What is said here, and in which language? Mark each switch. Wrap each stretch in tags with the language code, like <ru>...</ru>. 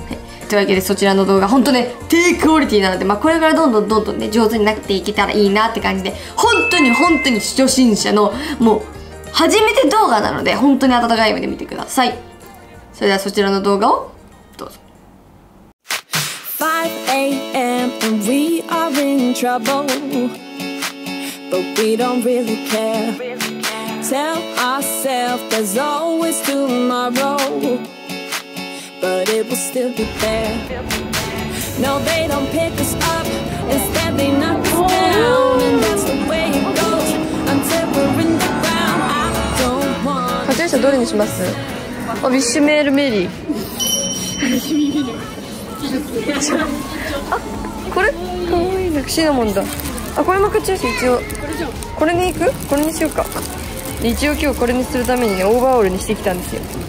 <ja>はい、というわけでそちらの動画ほんとね低クオリティなので、まあ、これからどんどんどんどんね上手になっていけたらいいなって感じで、本当に初心者のもう初めて動画なので、本当に温かい目で見てください。それではそちらの動画をどうぞ。</ja> <en>5 AM and we are in trouble, but we don't really care. Tell ourselves there's always tomorrow, but it will still be there. No, they don't pick us up, instead they knock us down, and that's the way it goes until we're in the ground. I don't want.</en> <ja>カテリーさんどれにします？あ、ウィッシュメールメリー。あ、これかわいいな、シナモンだ。あ、これもカチューシャ、一応これに行く、これにしようか。一応今日これにするためにね、オーバーオールにしてきたんですよ。</ja>